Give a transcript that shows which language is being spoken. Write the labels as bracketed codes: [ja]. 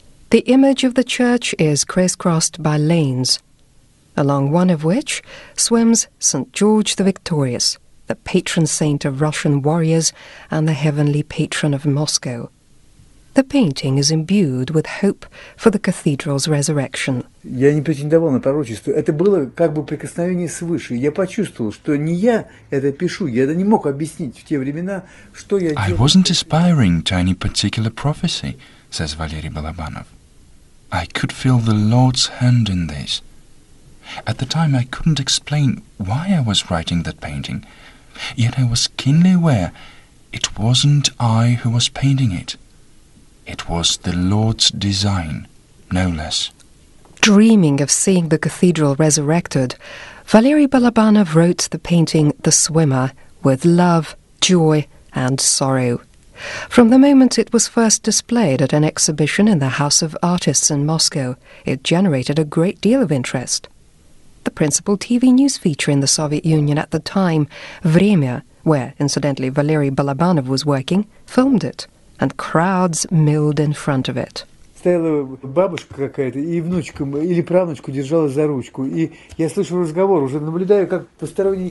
[en] The image of the church is crisscrossed by lanes, along one of which swims St. George the Victorious, the patron saint of Russian warriors and the heavenly patron of Moscow. The painting is imbued with hope for the cathedral's resurrection. [ru] Я не претендовал на пророчество. Это было как бы прикосновение свыше. Я почувствовал, что не я это пишу. Я это не мог объяснить в те времена, что я делал. [en] I wasn't aspiring to any particular prophecy, says Valery Balabanov. I could feel the Lord's hand in this. At the time, I couldn't explain why I was writing that painting. Yet I was keenly aware it wasn't I who was painting it. It was the Lord's design, no less. Dreaming of seeing the cathedral resurrected, Valery Balabanov wrote the painting The Swimmer with love, joy, and sorrow. From the moment it was first displayed at an exhibition in the House of Artists in Moscow, it generated a great deal of interest. The principal TV news feature in the Soviet Union at the time, Время, where, incidentally, Valery Balabanov was working, filmed it, and crowds milled in front of it. [ru] Стояла бабушка какая-то и внучка или правнучку держала за ручку, и я слышал разговор, уже наблюдаю, как посторонние...